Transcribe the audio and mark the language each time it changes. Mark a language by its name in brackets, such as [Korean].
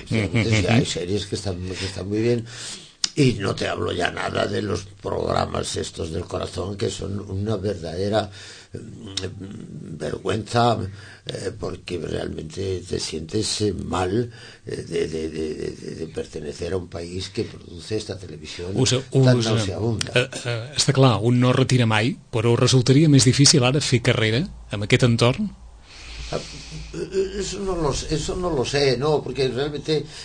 [Spanish] Sí, hay series que están muy bien. Y no te hablo ya nada de los programas estos del corazón, que son una verdadera vergüenza, porque realmente te sientes mal de pertenecer a un país que produce esta televisión tan nauseabunda. [Catalan] Està clar, un no retira mai, però resultaria més difícil ara fer carrera en aquest entorn? [Spanish] Eso no lo sé, no, porque realmente...